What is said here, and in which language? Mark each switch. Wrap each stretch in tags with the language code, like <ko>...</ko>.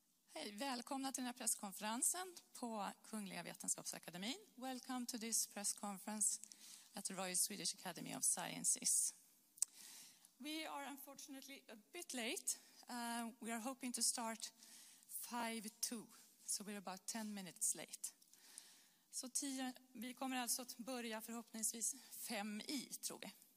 <sv>Okay, välkomna till den här presskonferensen på Kungliga Vetenskapsakademin.</sv> <en>Welcome to this press conference at the Royal Swedish Academy of Sciences. We are unfortunately a bit late. We are hoping to start 5:02, so we're about 10 minutes late.</en> <sv>Så vi kommer alltså att börja förhoppningsvis 5:00, tror vi.</sv>